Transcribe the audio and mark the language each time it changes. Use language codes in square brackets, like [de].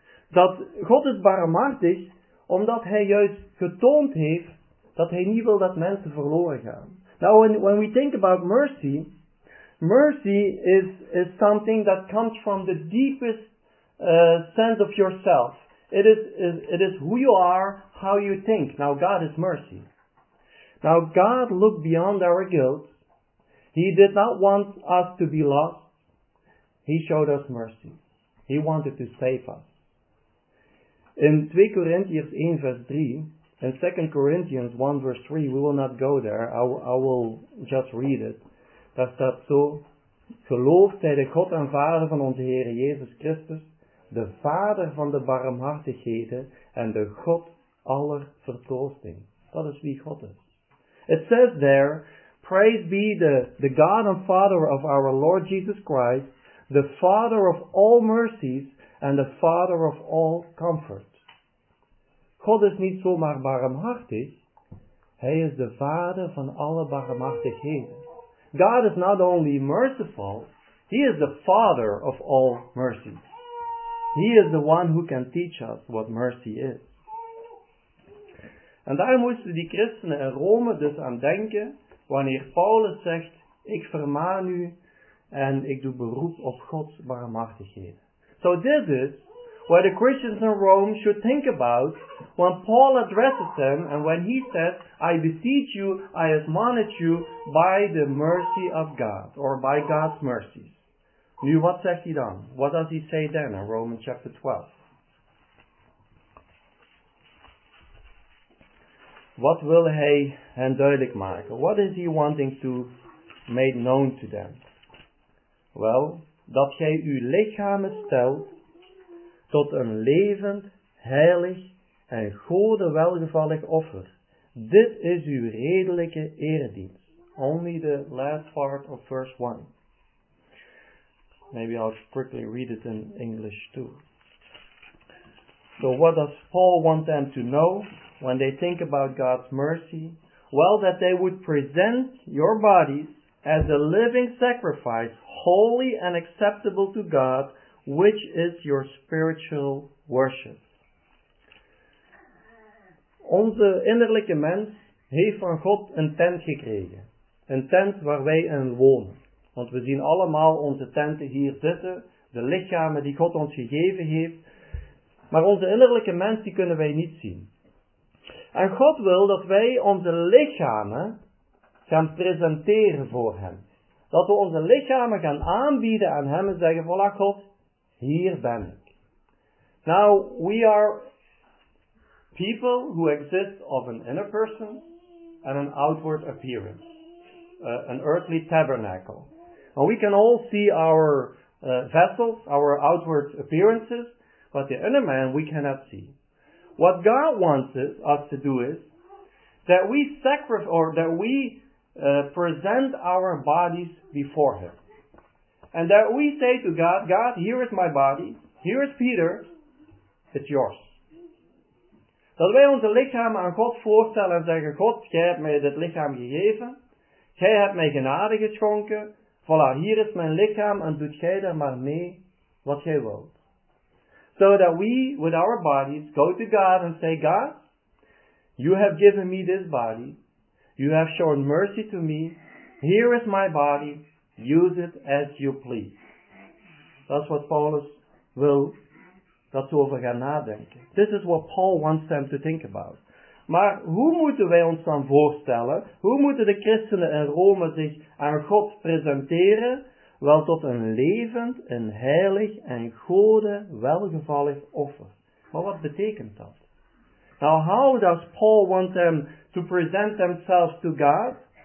[nl] Dat God is barmhartig, omdat Hij juist getoond heeft dat Hij niet wil dat mensen verloren gaan. [en] Now, when we think about mercy, mercy is something that comes from the deepest sense of yourself. It is who you are, how you think. Now God is mercy. Now God looked beyond our guilt. He did not want us to be lost. He showed us mercy. He wanted to save us. In 2 Corinthians 1 verse 3 and 2 Corinthians 1 verse 3, we will not go there. I will just read it. [nl] Daar staat zo: geloof zij de God en Vader van onze Heer Jezus Christus, de Vader van de barmhartigheden en de God aller vertroosting. Dat is wie God is. [en] It says there, praise be the God and Father of our Lord Jesus Christ, the Father of all mercies and the Father of all comfort. [nl] God is niet zomaar barmhartig. Hij is de Vader van alle barmhartigheden. [en] God is not only merciful, He is the Father of all mercies. He is the one who can teach us what mercy is. [nl] En daar moesten die christenen in Rome dus aan denken, wanneer Paulus zegt, ik vermaan u en ik doe beroep op Gods barmhartigheden. [en] So this is what the Christians in Rome should think about when Paul addresses them and when he says, I beseech you, I admonish you by the mercy of God, or by God's mercies. [nl] Nu, wat zegt hij dan? [en] What does he say then in Romans chapter 12? [nl] Wat wil hij hen duidelijk maken? [en] What is he wanting to make known to them? [nl] Well, dat gij uw lichamen stelt tot een levend, heilig en Gode welgevallig offer. Dit is uw redelijke eredienst. [en] Only the last part of verse 1. Maybe I'll quickly read it in English too. So what does Paul want them to know when they think about God's mercy? Well, that they would present your bodies as a living sacrifice, holy and acceptable to God, which is your spiritual worship. [nl] Onze innerlijke mens heeft van God een tent gekregen. Een tent waar wij in wonen. Want we zien allemaal onze tenten hier zitten, de lichamen die God ons gegeven heeft. Maar onze innerlijke mens, die kunnen wij niet zien. En God wil dat wij onze lichamen gaan presenteren voor Hem. Dat we onze lichamen gaan aanbieden aan Hem en zeggen, voilà God, hier ben ik. [en] Now, we are people who exist of an inner person and an outward appearance. An earthly tabernacle. And we can all see our vessels, our outward appearances, but the inner man we cannot see. What God wants us to do is that we sacrifice or that we present our bodies before Him. And that we say to God, God, here is my body, here is Peter, it's yours. [nl] Dat wij onze lichamen aan God voorstellen en zeggen, God, jij hebt mij dit lichaam gegeven, jij hebt mij genade geschonken, voilà, hier is mijn lichaam en doet jij daar maar mee wat jij wilt. [en] So that we, with our bodies, go to God and say, God, you have given me this body, you have shown mercy to me, here is my body, use it as you please. [nl] Dat is wat Paulus wil dat ze over gaan nadenken. [en] This is what Paul wants them to think about. [nl] Maar hoe moeten wij ons dan voorstellen? Hoe moeten de christenen in Rome zich aan God presenteren? Wel tot een levend, een heilig en Gode welgevallig offer. Maar wat betekent dat? [en] Now how does Paul want them to present themselves to God?